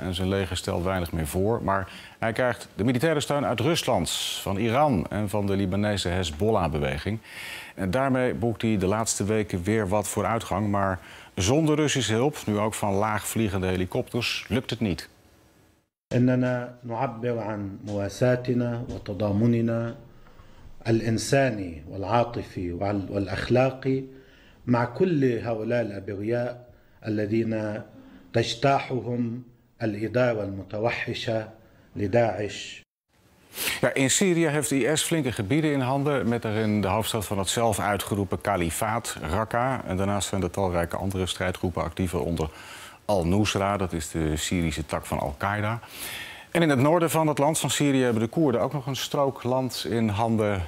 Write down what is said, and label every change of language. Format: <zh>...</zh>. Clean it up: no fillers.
<nl>En zijn leger stelt weinig meer voor. Maar hij krijgt de militaire steun uit Rusland, van Iran en van de Libanese Hezbollah-beweging. En daarmee boekt hij de laatste weken weer wat vooruitgang. Maar zonder Russische hulp, nu ook van laagvliegende helikopters, lukt het niet.</nl> <ar>اننا نعبر عن مواساتنا وتضامننا الانساني والعاطفي والاخلاقي مع كل هؤلاء الابرياء الذين تجتاحهم الاداره المتوحشه لداعش.</ar> <nl>Ja, in Syrië heeft IS flinke gebieden in handen, met daarin de hoofdstad van het zelf uitgeroepen kalifaat Raqqa, en daarnaast zijn er talrijke andere strijdgroepen actief onder Al-Nusra, dat is de Syrische tak van Al-Qaeda. En in het noorden van het land van Syrië hebben de Koerden ook nog een strook land in handen.</nl>